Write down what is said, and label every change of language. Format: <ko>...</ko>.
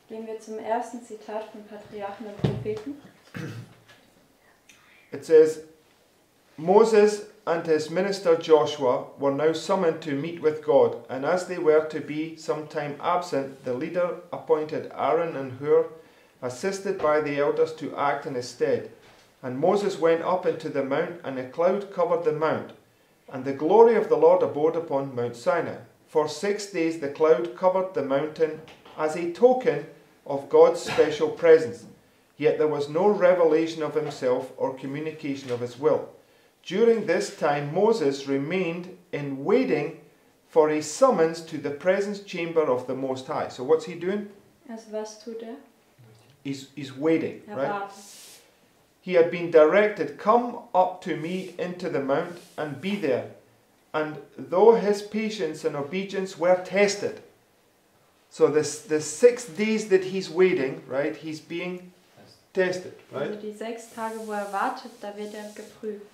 <de>Gehen wir zum ersten Zitat von Patriarchen und Propheten.</de> <en>It says, Moses and his minister Joshua were now summoned to meet with God, and as they were to be some time absent, the leader appointed Aaron and Hur, assisted by the elders, to act in his stead. And Moses went up into the mount, and a cloud covered the mount, and the glory of the Lord abode upon Mount Sinai. For 6 days the cloud covered the mountain as a token of God's special presence, yet there was no revelation of himself or communication of his will. During this time, Moses remained in waiting for a summons to the presence chamber of the Most High. So what's he doing?</en> <de>Was tut er?</de> <en>He's waiting, right? He had been directed, come up to me into the mount and be there. And though his patience and obedience were tested, so the 6 days that he's waiting, right, he's being tested, right?</en> <de>Also die 6 Tage, wo wartet, da wird geprüft.</de>